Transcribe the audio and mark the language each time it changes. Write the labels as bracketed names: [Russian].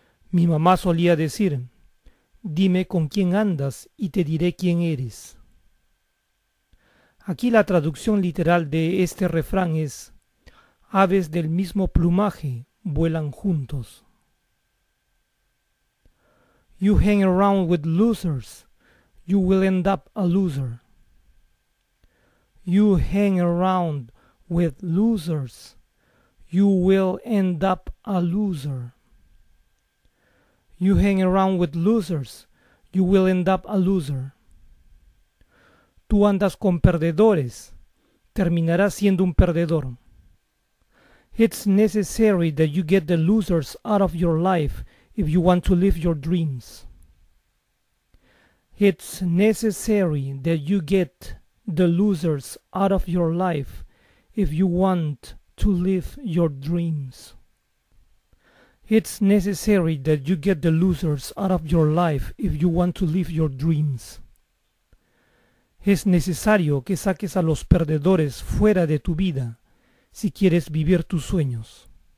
[Spanish] Mi mamá solía decir, dime con quién andas y te diré quién eres. Aquí la traducción literal de este refrán es, aves del mismo plumaje vuelan juntos. [English] You hang around with losers, you will end up a loser. You hang around with losers, you will end up a loser. You hang around with losers, you will end up a loser. [Spanish] Tú andas con perdedores, terminarás siendo un perdedor. [English] It's necessary that you get the losers out of your life if you want to live your dreams. It's necessary that you get the losers out of your life if you want to live your dreams. It's necessary that you get the losers out of your life if you want to live your dreams. [Spanish] Es necesario que saques a los perdedores fuera de tu vida si quieres vivir tus sueños.